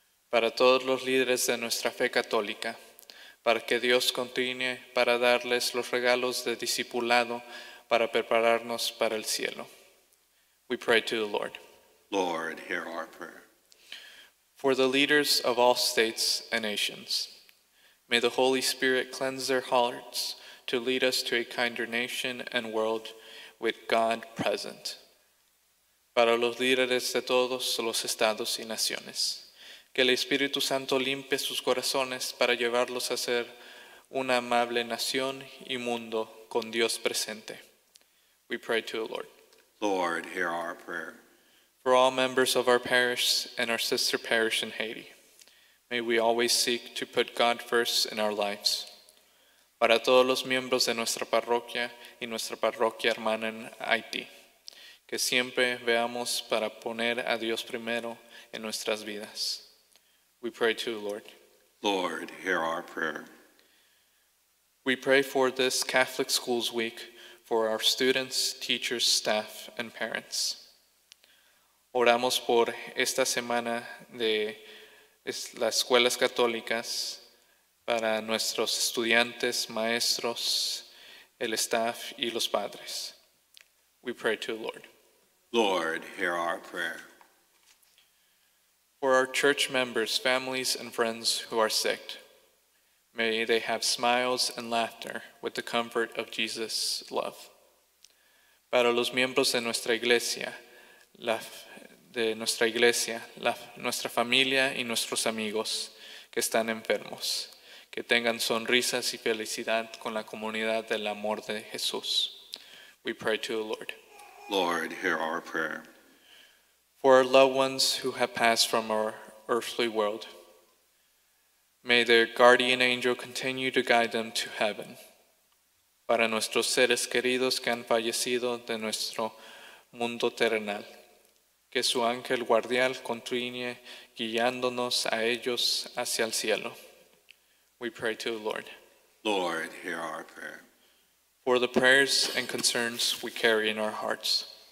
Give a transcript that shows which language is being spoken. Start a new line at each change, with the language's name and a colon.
Spanish: Para todos los líderes de nuestra fe católica, para que Dios continúe para darles los regalos de discipulado para prepararnos para el cielo.
English: We pray to the Lord. Lord, hear our prayer. For the leaders of all states and nations, may the Holy Spirit cleanse their hearts to lead us to a kinder nation and world with God present.
Spanish: Para los líderes de todos los estados y naciones, que el Espíritu Santo limpie sus corazones para llevarlos a ser una amable nación y mundo con Dios presente.
English: We pray to the Lord. Lord, hear our prayer. For all members of our parish and our sister parish in Haiti, may we always seek to put God first in our lives.
Spanish: Para todos los miembros de nuestra parroquia y nuestra parroquia hermana en Haití, que siempre veamos para poner a Dios primero en nuestras vidas.
English: We pray to the Lord. Lord, hear our prayer. We pray for this Catholic Schools Week, for our students, teachers, staff, and parents.
Spanish: Oramos por esta semana de las escuelas católicas para nuestros estudiantes, maestros, el staff, y los padres.
English: We pray to the Lord. Lord, hear our prayer. For our church members, families, and friends who are sick, may they have smiles and laughter with the comfort of Jesus' love.
Spanish: Para los miembros de nuestra iglesia, nuestra familia y nuestros amigos que están enfermos, que tengan sonrisas y felicidad con la comunidad del amor de Jesús.
English: We pray to the Lord. Lord, hear our prayer. For our loved ones who have passed from our earthly world, may their guardian angel continue to guide them to heaven.
Spanish: Para nuestros seres queridos que han fallecido de nuestro mundo terrenal, que su ángel guardián continúe guiándonos a ellos hacia el cielo.
English: We pray to the Lord. Lord, hear our prayer. For the prayers and concerns we carry in our hearts.